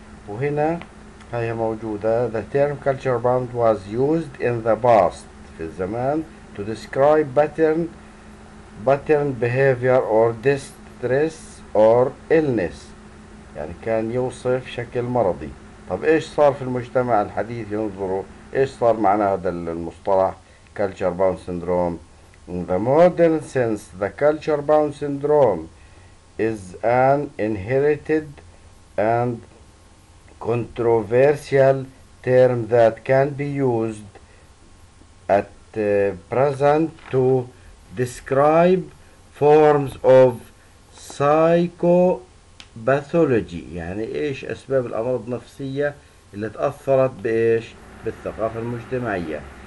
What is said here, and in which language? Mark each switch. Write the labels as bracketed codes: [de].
[ar] وهنا هي موجودة: [en] The term culture bound was used in the past [ar] في الزمان [en] to describe pattern behavior or distress or illness، [ar] يعني كان يوصف شكل مرضي. طب ايش صار في المجتمع الحديث؟ ينظروا ايش صار معنا هذا المصطلح culture bound syndrome. [en] In the modern sense the culture bound syndrome is an inherited and controversial term that can be used at present to describe forms of psychopathology. [ar] يعني ايش اسباب الامراض النفسية اللي تأثرت بايش؟ بالثقافة المجتمعية.